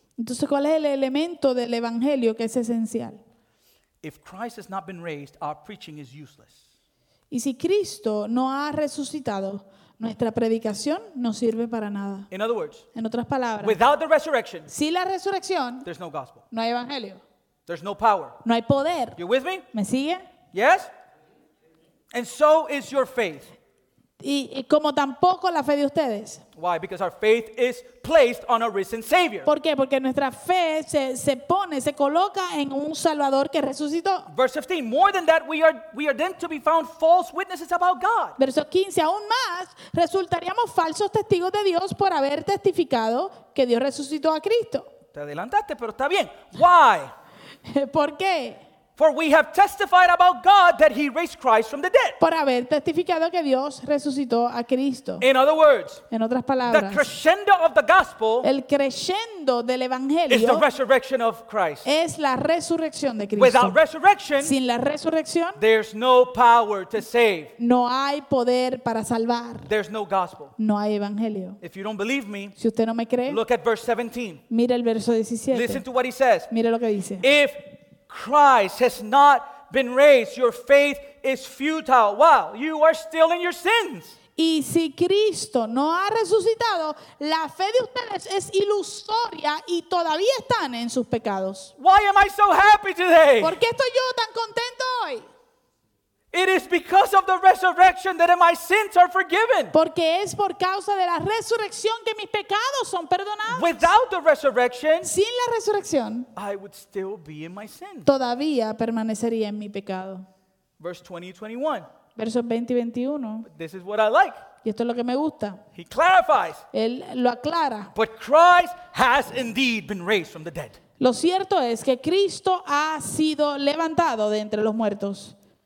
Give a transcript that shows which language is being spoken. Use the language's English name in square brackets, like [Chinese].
[Spanish] Entonces, ¿cuál es el elemento del evangelio que es esencial? [English] If Christ has not been raised, our preaching is useless. [Spanish] Y si Cristo no ha resucitado, nuestra predicación no sirve para nada. [English] In other words, [Spanish] en otras palabras, [English] without the resurrection, [Spanish] sin la resurrección, [English] there's no gospel. [Spanish] No hay evangelio. [English] There's no power. [Spanish] No hay poder. [English] You with me? [Spanish] ¿Me sigue? [English] Yes? And so is your faith. [Spanish] Y como tampoco la fe de ustedes. [English] Why? Because our faith is placed on a risen Savior. [Spanish] ¿Por qué? Porque nuestra fe se coloca en un Salvador que resucitó. [English] Verse 15. More than that, we are then to be found false witnesses about God. [Spanish] Verso 15. Aún más, resultaríamos falsos testigos de Dios por haber testificado que Dios resucitó a Cristo. Te adelantaste, pero está bien. [English] Why? [Spanish] ¿Por qué? [English] For we have testified about God that he raised Christ from the dead. [Spanish] Por haber testificado que Dios resucitó a Cristo. [English] In other words, [Spanish] en otras palabras, [English] the crescendo of the gospel, [Spanish] el crescendo del evangelio, [English] is the resurrection of Christ. [Spanish] Es la resurrección de Cristo. [English] Without resurrection, [Spanish] sin la resurrección, [English] there's no power to save. [Spanish] No hay poder para salvar. [English] There's no gospel. [Spanish] No hay evangelio. [English] If you don't believe me, [Spanish] si usted no me cree, [English] look at verse 17. [Spanish] Mira el verso 17. [English] Listen to what he says. [Spanish] Mira lo que dice. [English] If Christ has not been raised, your faith is futile. Wow, you are still in your sins. [Spanish] Y si Cristo no ha resucitado, la fe de ustedes es ilusoria y todavía están en sus pecados. [English] Why am I so happy today? [Spanish] ¿Por qué estoy yo tan contento hoy? [English] It is because of the resurrection that my sins are forgiven. [Spanish] Porque es por causa de la resurrección que mis pecados son perdonados. [English] Without the resurrection, [Spanish] sin la resurrección, [English] I would still be in my sin. [Spanish] Todavía permanecería en mi pecado. [English] Verse 20 y 21. [Spanish] Versos 20 y 21. [English] But this is what I like. [Spanish] Y esto es lo que me gusta. [English] He clarifies. [Spanish] Él lo aclara. [English] But Christ has indeed been raised from the dead. [Spanish] Lo cierto es que Cristo ha sido levantado de entre los muertos.